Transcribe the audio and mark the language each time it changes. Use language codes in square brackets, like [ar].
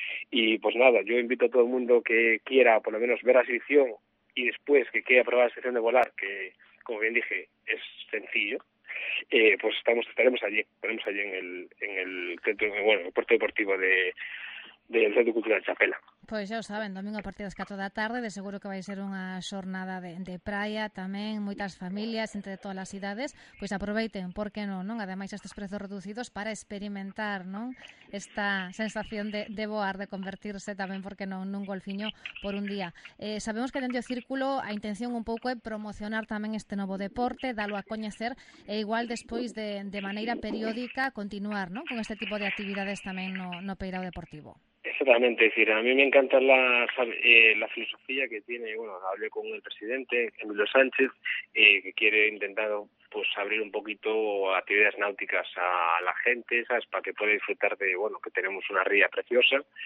[es] Y pues nada, yo invito a todo el mundo que quiera por lo menos ver la sesión y después que quiera probar la sesión de volar, que como bien dije, es sencillo, pues estaremos allí en el puerto deportivo del Centro Cultural de Chapela. [gl] Pois xa o saben, domingo a partir das 4 da tarde, de seguro que vai ser unha xornada de praia, tamén moitas familias entre todas as idades, pois aproveiten, por que non, non? Ademais estes prezos reducidos para experimentar, non, esta sensación de voar, de convertirse tamén, por que non, nun golfiño por un día. Sabemos que dentro do círculo a intención un pouco é promocionar tamén este novo deporte, dalo a coñecer e igual despois de maneira periódica continuar, non, con este tipo de actividades tamén no peirao deportivo. [es] Exactamente, es decir, a mí me encanta la filosofía que tiene, bueno, hablé con el presidente, Emilio Sánchez, que quiere intentar pues abrir un poquito actividades náuticas a la gente, ¿sabes?, para que pueda disfrutar de, bueno, que tenemos una ría preciosa,